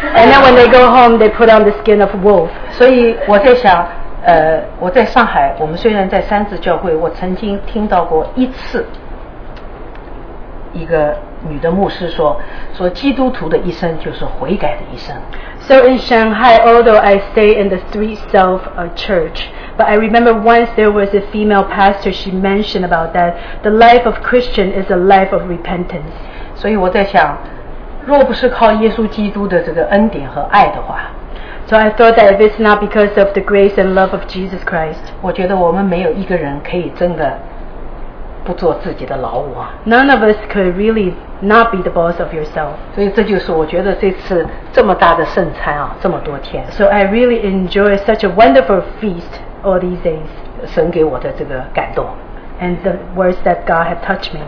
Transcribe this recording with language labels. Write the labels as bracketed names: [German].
[English] And then when they go home they put on the skin of wolf [Chinese] 所以我在想我在上海我们虽然在三自教会我曾经听到过一次一个女的牧师说，说基督徒的一生就是悔改的一生。 [English] So in Shanghai, although I stay in the Three Self Church, but I remember once there was a female pastor, she mentioned about that the life of Christian is a life of repentance. [Chinese] 所以我在想，若不是靠耶稣基督的这个恩典和爱的话。 [English] So I thought that if it's not because of the grace and love of Jesus Christ, [Chinese] 我觉得我们没有一个人可以真的不做自己的老五啊。 [English] None of us could really not be the boss of yourself. [Chinese] 所以这就是我觉得这次这么大的圣餐啊，这么多天。 [English] So I really enjoy such a wonderful feast all these days. [Chinese] 神给我的这个感动。 [English] And the words that God had touched me.